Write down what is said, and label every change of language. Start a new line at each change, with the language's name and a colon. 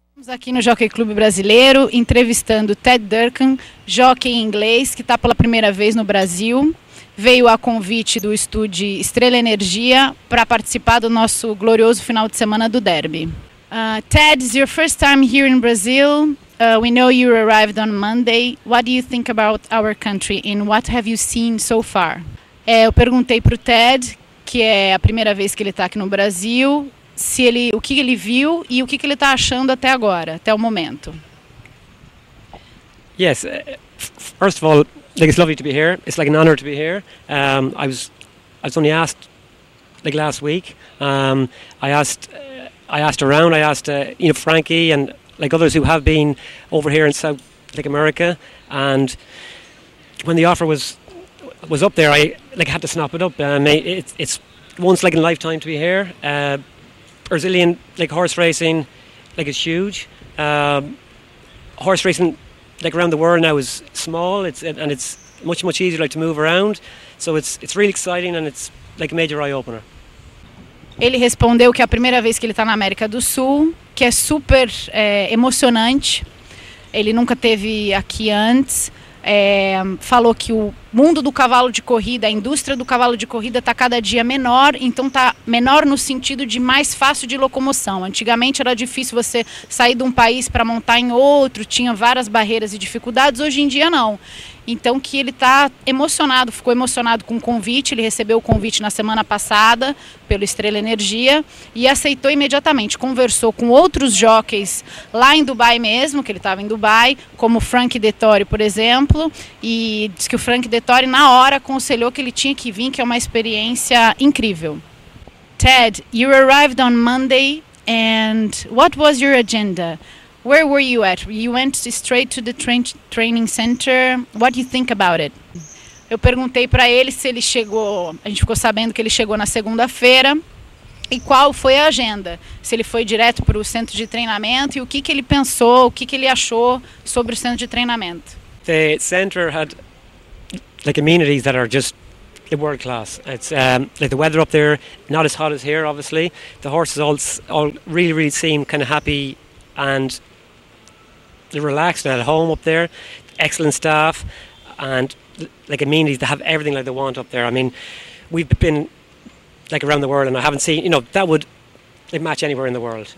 Portuguese: Estamos aqui no Jockey Clube Brasileiro, entrevistando Ted Durcan, jockey inglês, que está pela primeira vez no Brasil. Veio a convite do estúdio Estrela Energia para participar do nosso glorioso final de semana do Derby.
English: Ted, it's your first time here in Brazil. We know you arrived on Monday. What do you think about our country and what have you seen so far?
Portuguese: Eu perguntei para o Ted, que é a primeira vez que ele está aqui no Brasil, o que ele viu e o que ele está achando até agora, até o momento.
English: Yes, first of all, like, it's lovely to be here. It's like an honor to be here. I was only asked like last week. I asked around. I asked Frankie and like others who have been over here in South like America. And when the offer was up there, I like had to snap it up. It's once like in a lifetime to be here. Brazilian like horse racing like is huge. Horse racing like around the world now is small. It's much, much easier like to move around. So it's really exciting and it's like a major eye opener.
Portuguese: Ele respondeu que é a primeira vez que ele está na América do Sul, que é super emocionante. Ele nunca teve aqui antes. Falou que o mundo do cavalo de corrida, a indústria do cavalo de corrida está cada dia menor, então está menor no sentido de mais fácil de locomoção. Antigamente era difícil você sair de um país para montar em outro, tinha várias barreiras e dificuldades, hoje em dia não. Então que ele está emocionado, ficou emocionado com o convite, ele recebeu o convite na semana passada pelo Estrela Energia e aceitou imediatamente, conversou com outros jockeys lá em Dubai mesmo, que ele estava em Dubai, como Frank Dettori, por exemplo, e disse que o Frank Dettori na hora aconselhou que ele tinha que vir, que é uma experiência incrível.
English: Ted, you arrived on Monday and what was your agenda? Where were you at? You went straight to the training center. What do you think about it?
Portuguese: Eu perguntei para ele se ele chegou. A gente ficou sabendo que ele chegou na segunda-feira. E qual foi a agenda? Se ele foi direto para o centro de treinamento e o que ele pensou, o que ele achou sobre o centro de treinamento?
English: The center had like amenities that are just world class. It's like the weather up there, not as hot as here, obviously. The horses all really, really seem kind of happy. And they're relaxed and at home up there. Excellent staff and like amenities. They have everything like they want up there. I mean, we've been like around the world, and I haven't seen, you know, that would like match anywhere in the world.